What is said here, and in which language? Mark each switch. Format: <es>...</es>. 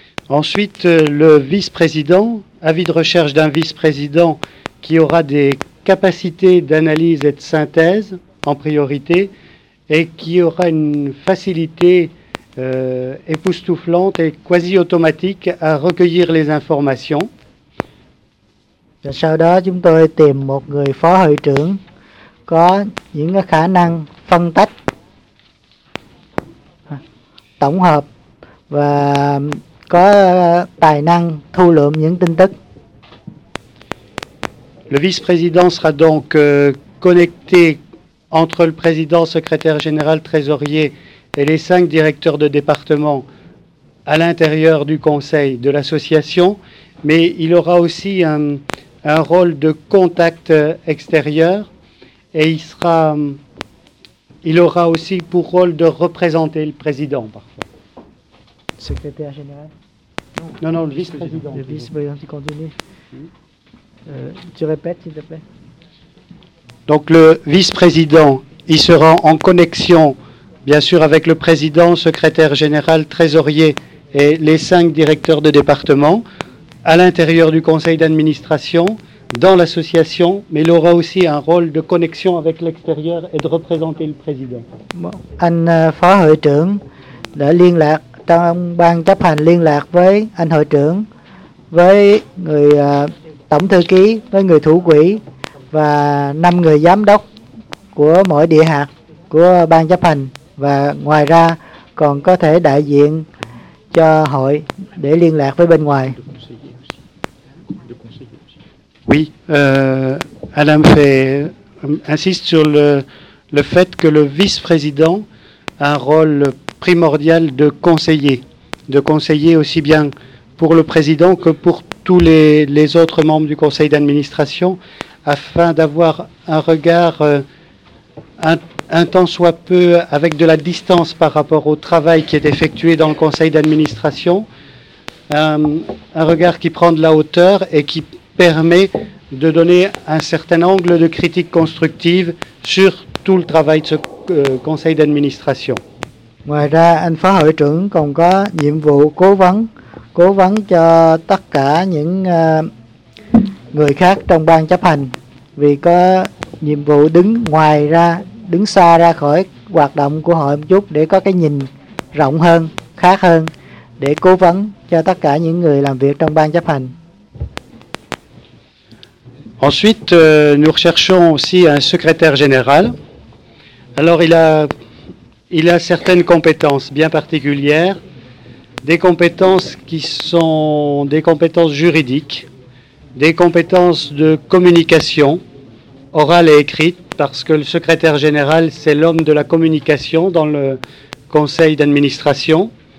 <fr>Ensuite, le vice-président, avis de recherche d'un vice-président qui aura des capacités d'analyse et de synthèse en priorité et qui aura une facilité époustouflante et quasi automatique à recueillir les informations.</fr> <vi>Sau đó, chúng tôi tìm một người phó hội trưởng có những khả năng phân tách, tổng hợp và có tài năng thu lượm những tin tức.</vi> <fr>Le vice-président sera donc connecté entre le président, secrétaire général, trésorier et les cinq directeurs de département à l'intérieur du conseil de l'association, mais il aura aussi un rôle de contact extérieur et il aura aussi pour rôle de représenter le président parfois. Secrétaire général. Non, non, le vice-président. Le vice-président, tu continues. Tu répètes, s'il te plaît. Donc, le vice-président, il sera en connexion, bien sûr, avec le président, secrétaire général, trésorier et les cinq directeurs de département, à l'intérieur du conseil d'administration, dans l'association, mais il aura aussi un rôle de connexion avec l'extérieur et de représenter le président.</fr> <vi>Bon, anh phó hội trưởng đã liên lạc trong ban chấp hành, liên lạc với anh hội trưởng, với người tổng thư ký, với người thủ quỹ và năm người giám đốc của mỗi địa hạt của ban chấp hành, và ngoài ra còn có thể đại diện cho hội để liên lạc với bên ngoài.</vi> <fr>Oui, Adam fait insiste sur le fait que le vice-président a un rôle primordial de conseiller aussi bien pour le président que pour tous les autres membres du conseil d'administration, afin d'avoir un regard un tant soit peu avec de la distance par rapport au travail qui est effectué dans le conseil d'administration, un regard qui prend de la hauteur et qui permet de donner un certain angle de critique constructive sur tout le travail de ce conseil d'administration.</fr> <vi>Ngoài ra, anh phó hội trưởng còn có nhiệm vụ cố vấn cho tất cả những người khác trong ban chấp hành, vì có nhiệm vụ đứng xa ra khỏi hoạt động của hội một chút để có cái nhìn rộng hơn, khác hơn, để cố vấn cho tất cả những người làm việc trong ban chấp hành.</vi> <fr>Ensuite, nous recherchons aussi un secrétaire général. Alors, il a certaines compétences bien particulières, des compétences qui sont des compétences juridiques, des compétences de communication orale et écrite, parce que le secrétaire général, c'est l'homme de la communication dans le conseil d'administration.</fr>